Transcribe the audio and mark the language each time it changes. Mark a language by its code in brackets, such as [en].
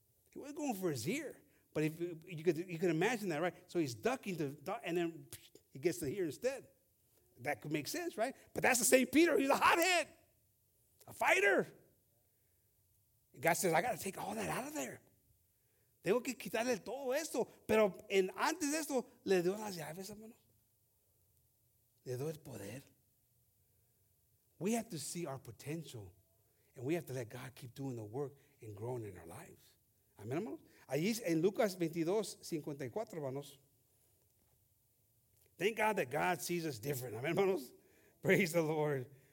[en] He wasn't going for his ear. But if you could imagine that, right? So he's ducking, and then he gets the ear instead. That could make sense, right? But that's the same Peter. He's a hothead, a fighter. And God says, I got to take all that out of there. [es] Tengo que quitarle todo esto. Pero en antes de esto, le dio las llaves, hermano. Le dio el poder. [en] We have to see our potential, and we have to let God keep doing the work and growing in our lives. [es] Amen, hermanos. Allí en Lucas 22:54, hermanos. [en] Thank God that God sees us different. Amen, hermanos? Praise the Lord.